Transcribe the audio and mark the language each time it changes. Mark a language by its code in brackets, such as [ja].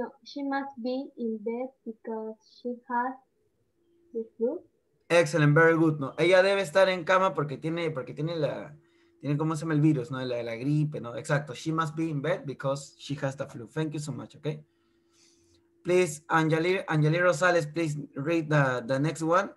[en] She must be in bed because she has the flu. Excellent, very good, ¿no? [es] Ella debe estar en cama porque tiene tiene cómo se llama el virus, ¿no? La gripe, ¿no? Exacto. [en] She must be in bed because she has the flu. Thank you so much, ¿ok? Please, Angelina Rosales, please read the next one.